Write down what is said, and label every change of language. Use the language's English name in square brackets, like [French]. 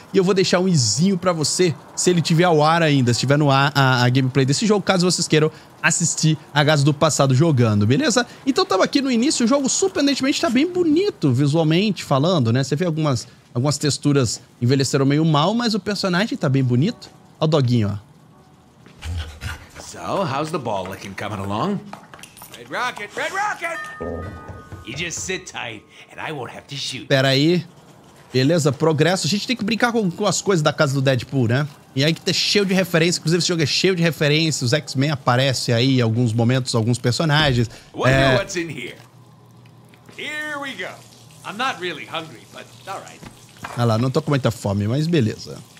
[Portuguese] E eu vou deixar um izinho pra você, se ele tiver ao ar ainda, se tiver no ar a gameplay desse jogo, caso vocês queiram assistir a Gás do Passado jogando, beleza? Então estamos aqui no início, o jogo surpreendentemente está bem bonito visualmente falando, né? Você vê algumas texturas envelheceram meio mal, mas o personagem está bem bonito. Olha o doguinho, ó. [English] So, how's the ball looking coming along? Red Rocket, Red Rocket! You just sit tight and I won't have to shoot. [Portuguese] Espera aí. Beleza, progresso. A gente tem que brincar com as coisas da casa do Deadpool, né? E aí que tá cheio de referência, inclusive esse jogo é cheio de referência, os X-Men aparecem aí em alguns momentos, alguns personagens. [English] What's in here? Here we go. I'm not really hungry, but all right. [Portuguese] Ah lá, não tô com muita fome, mas beleza.